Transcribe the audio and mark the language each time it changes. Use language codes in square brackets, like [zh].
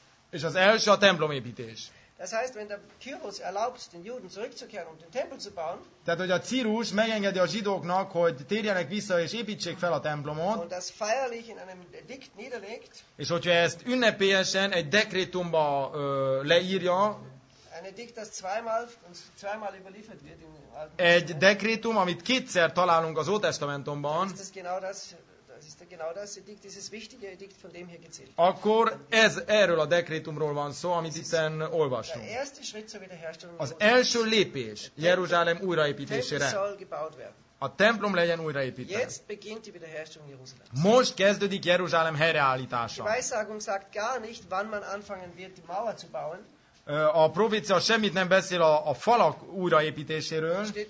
[hu] És az első a templomépítés. [de] Das heißt, wenn der Kyrus erlaubt, den Juden zurückzukehren, um den Tempel zu bauen, [hu] tehát, hogy a Círus megengedi a zsidóknak, hogy térjenek vissza és építsék fel a templomot, [de] und das feierlich in einem Edikt niederlegt, [hu] és hogyha ezt ünnepélyesen egy dekrétumba leírja, [de] ein Edikt, das zweimal überliefert wird in Alten Testament, [hu] egy dekrétum, amit kétszer találunk az Ótestamentumban, [de] das ist genau das, das ist genau das Edikt, dieses wichtige Edikt, von dem hier gezählt. [hu] Akkor ez erről a dekrétumról van szó, amit itten olvasunk. Az első lépés Jeruzsálem újraépítésére. A templom legyen újraépítve. [de] Jetzt beginnt die Wiederherstellung Jerusalems. [hu] Most kezdődik Jeruzsálem helyreállítása. [de] Die Weissagung sagt gar nicht, wann man anfangen wird, die Mauer zu bauen. [hu] A profécia semmit nem beszél a falak újraépítéséről.